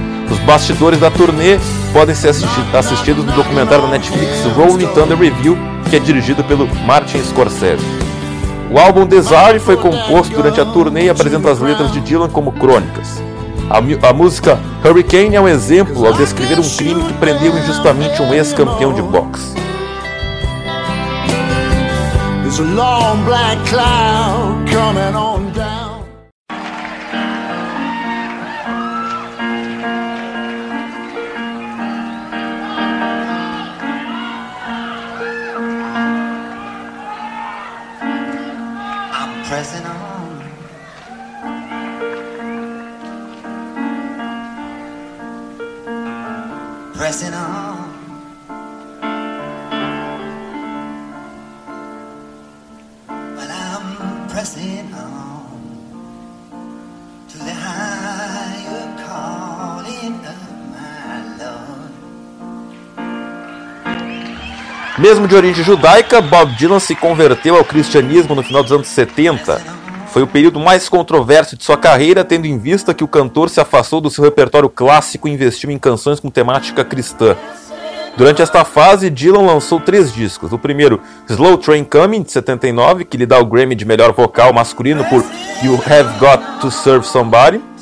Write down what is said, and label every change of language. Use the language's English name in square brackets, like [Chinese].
[Portuguese] Os bastidores da turnê podem ser assistidos no documentário da Netflix Rolling Thunder Review, que é dirigido pelo Martin Scorsese. O álbum Desire foi composto durante a turnê e apresenta as letras de Dylan como crônicas. A música Hurricane é um exemplo ao descrever um crime que prendeu injustamente um ex-campeão de boxe. [English] There's a long black cloud coming on down. I'm pressing on. Pressing on. Well, I'm pressing on to the higher calling of my Lord. [Portuguese] Mesmo de origem judaica, Bob Dylan se converteu ao cristianismo no final dos anos 70. Foi o período mais controverso de sua carreira, tendo em vista que o cantor se afastou do seu repertório clássico e investiu em canções com temática cristã. Durante esta fase, Dylan lançou 3 discos. O primeiro, Slow Train Coming, de 79, que lhe dá o Grammy de melhor vocal masculino por You Have Got to Serve Somebody.